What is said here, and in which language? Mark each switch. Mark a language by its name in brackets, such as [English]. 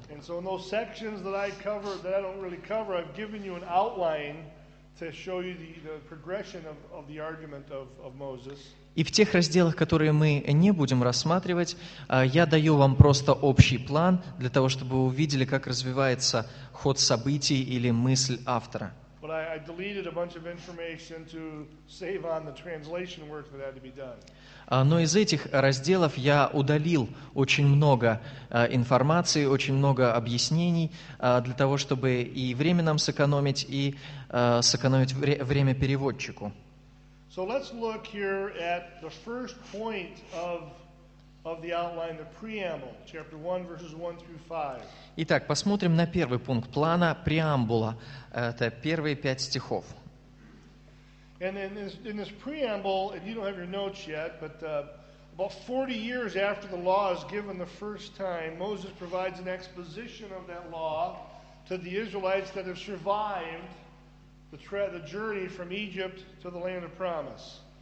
[Russian] И в тех секциях, которые я не покрываю, я дал вам [English] outline to show you the progression of the argument of Moses. [Russian] И в тех разделах, которые мы не будем рассматривать, я даю вам просто общий план для того, чтобы вы увидели, как развивается ход событий или мысль автора. [English] But I deleted a bunch of information to save on the translation work that had to be done. [Russian] Но из этих разделов я удалил очень много информации, очень много объяснений для того, чтобы и время нам сэкономить, и сэкономить время переводчику. [English] So let's look here at the first point of the outline, the preamble, chapter 1, verses 1 through 5. [Russian] Итак, посмотрим на первый пункт плана, преамбула. Это первые 5 стихов. [English] And in this preamble, and you don't have your notes yet, but about 40 years after the law is given the first time, Moses provides an exposition of that law to the Israelites that have survived the journey from Egypt to the land of promise.